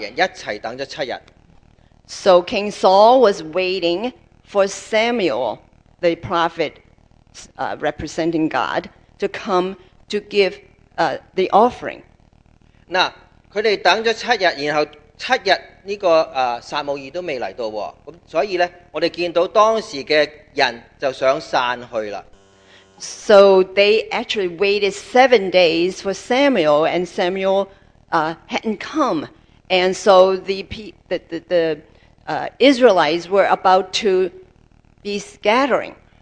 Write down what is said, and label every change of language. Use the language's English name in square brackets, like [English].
[Chinese] 扫罗在等先知，等神的代表来到献祭，他和他的军队这几百人一起等了七日。So [English] King Saul was waiting for Samuel, the prophet representing God, to come to give the offering. [Chinese] 那他们等了七日，然后七日这个撒母耳都未来到，所以呢，我们看到当时的人就想散去了。So [English] they actually waited 7 days for Samuel, and Samuel hadn't come. And so the Israelites were about to be scattering.